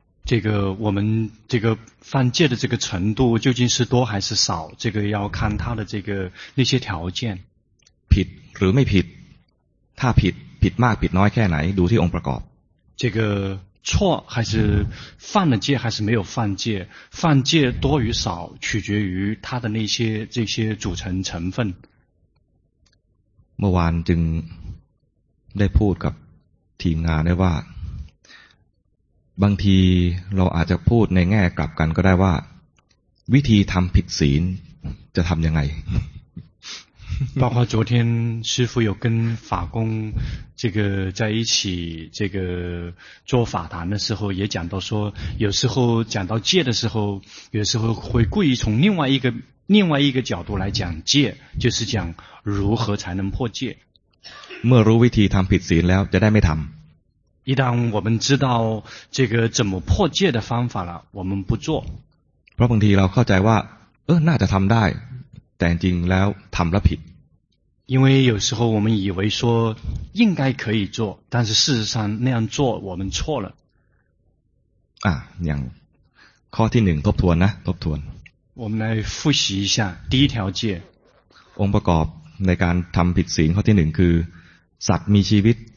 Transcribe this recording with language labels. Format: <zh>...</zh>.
<zh>这个我们这个犯戒的这个程度究竟是多还是少这个要看他的这个那些条件</zh> <th>ผิดหรือไม่ผิดถ้าผิดมากผิดน้อยแค่ไหนดูที่องค์ประกอบ</th> <zh>这个错还是犯了戒还是没有犯戒犯戒多与少取决于他的那些这些组成成分</zh> <th>เมื่อวานจึงได้พูดกับทีมงานได้ว่าบางทีเราอาจจะพูดในแง่กลับกันก็ได้ว่าวิธีทำผิดศีลจะทำยังไง</th> <zh>包括昨天师父有跟法公这个在一起这个做法坛的时候也讲到说有时候讲到戒的时候有时候会故意从另外一个角度来讲戒就是讲如何才能破戒</zh> <th>เมื่อรู้วิธีทำผิดศีลแล้วจะได้ไม่ทำ</th> <zh>一旦我们知道这个怎么破戒的方法了我们不做</zh> <th>เพราะบางทีเราเข้าใจว่าเออน่าจะทำได้แต่จริงแล้วทำแล้วผิด</th> <zh>因为有时候我们以为说应该可以做但是事实上那样做我们错了</zh> <th>อย่างข้อที่หนึ่งทบทวนนะทบทวน</th> <zh>我们来复习一下第一条戒</zh> <th>องค์ประกอบในการทำผิดศีลข้อที่หนึ่งคือสัตว์มีชีวิต</th>